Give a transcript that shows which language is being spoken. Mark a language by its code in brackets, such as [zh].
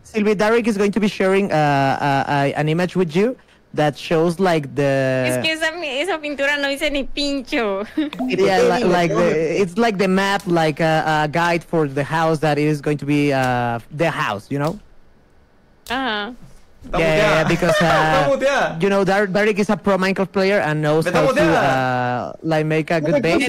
[en] Silvi, Darik is going to be sharing an image with you that shows like the. [es] Es que esa pintura no dice ni pincho. [en] Yeah, it's like the map, like a guide for the house that is going to be the house, you know. Uh-huh. Yeah, because you know, Darik is a pro Minecraft player and knows how to like make a good base.